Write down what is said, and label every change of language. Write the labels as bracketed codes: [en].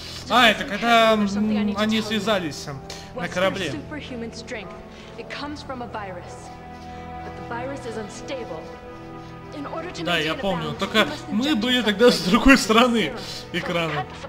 [ru] А, это когда они связались на корабле. [en] Western's superhuman strength. It comes from a virus. But the virus is unstable. In order to maintain the balance, we must inject the serum. [ru] Да, я помню. Только мы были тогда с другой стороны экрана.